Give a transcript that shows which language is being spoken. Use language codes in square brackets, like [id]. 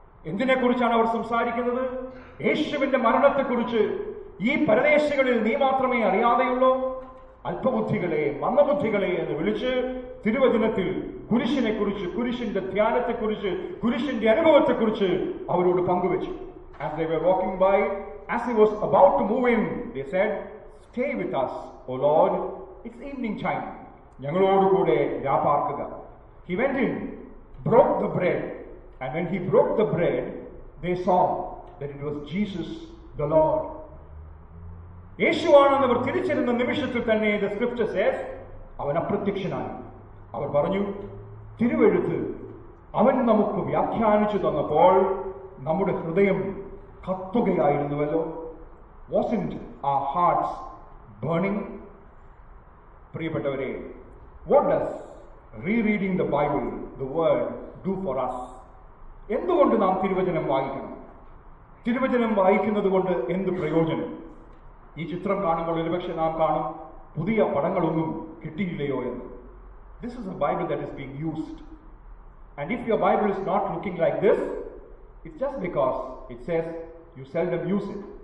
[ml] എന്തിനെ കുറിച്ചാണ് അവർ സംസാരിക്കുന്നത്? യേശുവിന്റെ മരണത്തെക്കുറിച്ച്. ഈ പരദേശികളിൽ നീ മാത്രമേ അറിയാതെയുള്ളൂ, അല്പബുദ്ധികളെ, മന്ദബുദ്ധികളെ എന്ന് വിളിച്ച് തിരുവചനത്തിൽ കുരിശിനെ കുറിച്ച്, കുരിശിന്റെ ധ്യാനത്തെക്കുറിച്ച്, കുരിശിന്റെ അനുഭവത്തെക്കുറിച്ച് അവരോട് പങ്കുവച്ചു. [en] As they were walking by, as he was about to move in, they said, "Stay with us, O Lord, it's evening time." [ml] ഞങ്ങളോട് കൂടെ രാപാർക്കുക. [en] He went in, broke the bread, and when he broke the bread, they saw that it was Jesus, the Lord. [ml] യേശു ആണെന്ന് അവർ തിരിച്ചിരുന്ന നിമിഷത്തിൽ തന്നെ [en] the script says [ml] അവൻ അപ്രത്യക്ഷനായി. അവർ പറഞ്ഞു, തിരുവെഴുത്ത് അവൻ നമുക്ക് വ്യാഖ്യാനിച്ചു തന്നപ്പോൾ നമ്മുടെ ഹൃദയം കത്തുകയായിരുന്നുവല്ലോ. [en] Wasn't our hearts burning? [ml] പ്രിയപ്പെട്ടവരെ, [en] what does re-reading the Bible, the Word, do for us? [ml] എന്തുകൊണ്ട് നാം തിരുവചനം വായിക്കണം? തിരുവചനം വായിക്കുന്നത് കൊണ്ട് എന്ത് പ്രയോജനം? ഈ ചിത്രം കാണുമ്പോൾ ഒരുപക്ഷെ നാം കാണും പുതിയ പടങ്ങളൊന്നും കിട്ടിയില്ലയോ എന്ന്. [en] This is a Bible that is being used. And if your Bible is not looking like this, it's just because it says you seldom use it.